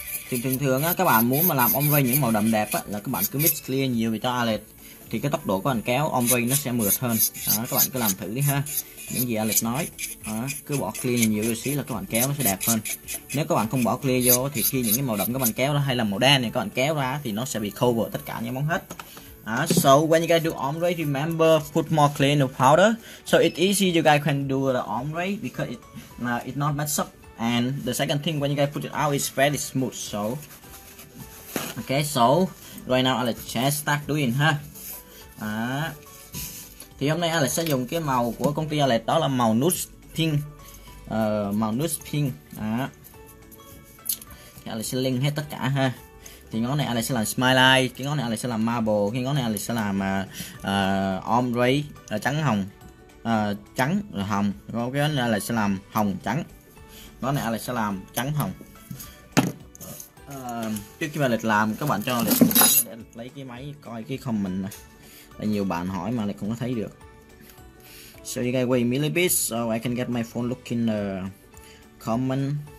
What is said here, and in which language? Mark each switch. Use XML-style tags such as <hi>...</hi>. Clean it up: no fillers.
<vi>Thì thường thường á, các bạn muốn mà làm ombre những màu đậm đẹp á, là các bạn cứ mix clear nhiều về cho Alex, thì cái tốc độ của anh kéo ombre nó sẽ mượt hơn. Đó, các bạn cứ làm thử đi ha. Những gì Alex nói đó, cứ bỏ clear nhiều vô xí là các bạn kéo nó sẽ đẹp hơn. Nếu các bạn không bỏ clear vô thì khi những cái màu đậm các bạn kéo ra, hay là màu đen thì các bạn kéo ra, thì nó sẽ bị cover tất cả những món hết đó.</vi> <en>So when you guys do ombre, remember put more clear in the powder, so it's easy you guys can do the ombre, because it not mess up. And the second thing, when you guys put it out, it's very smooth. So okay, so right now Alex sẽ start doing ha. Đó.</en> <vi>Thì hôm nay Alex sẽ dùng cái màu của công ty Alex, đó là màu nude pink. Màu nude pink. Đó. Thì Alex sẽ link hết tất cả ha. Thì ngón này Alex sẽ làm smile eye, cái ngón này Alex sẽ làm marble, cái ngón này Alex sẽ làm ombre trắng hồng. Trắng rồi hồng. Còn cái ngón này Alex sẽ làm hồng trắng. Ngón này Alex sẽ làm trắng hồng. Trước khi mà Alex làm, các bạn cho Alex lấy cái máy coi cái comment này. Là nhiều bạn hỏi mà lại không có thấy được.</vi> <en>So you guys wait a little bit so I can get my phone looking the comment.</en>